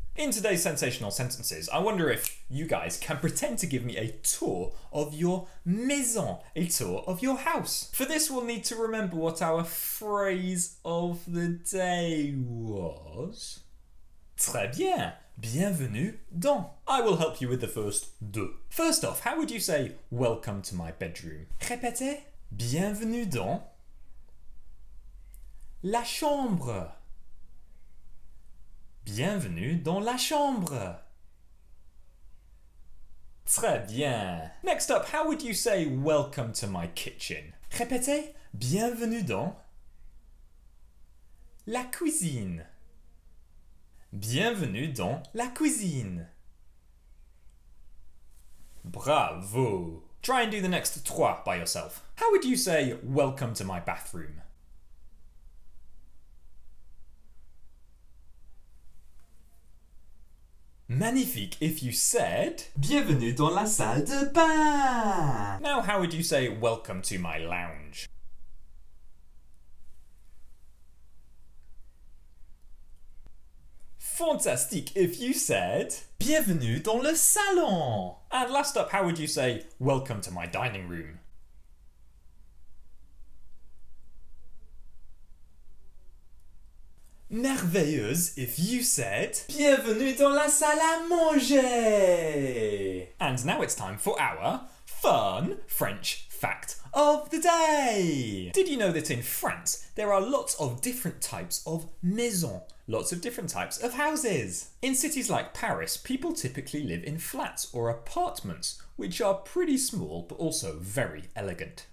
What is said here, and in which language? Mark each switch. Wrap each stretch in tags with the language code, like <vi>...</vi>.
<en>In today's sensational sentences, I wonder if you guys can pretend to give me a tour of your maison, a tour of your house. For this, we'll need to remember what our phrase of the day was.</en> <fr>Très bien. Bienvenue dans.</fr> <en>I will help you with the first deux. First off, how would you say welcome to my bedroom?</en> <fr>Répétez. Bienvenue dans la chambre. Bienvenue dans la chambre. Très bien.</fr> <en>Next up, how would you say welcome to my kitchen?</en> <fr>Répétez. Bienvenue dans la cuisine. Bienvenue dans la cuisine. Bravo.</fr> <en>Try and do the next trois by yourself. How would you say welcome to my bathroom? Magnifique if you said</en> <fr>bienvenue dans la salle de bain.</fr> <en>Now how would you say welcome to my lounge? Fantastique if you said</en> <fr>bienvenue dans le salon.</fr> <en>And last up, how would you say welcome to my dining room? Merveilleuse if you said</en> <fr>bienvenue dans la salle à manger.</fr> <en>And now it's time for our fun French fact of the day. Did you know that in France there are lots of different types of maisons? Lots of different types of houses. In cities like Paris, people typically live in flats or apartments, which are pretty small but also very elegant.</en>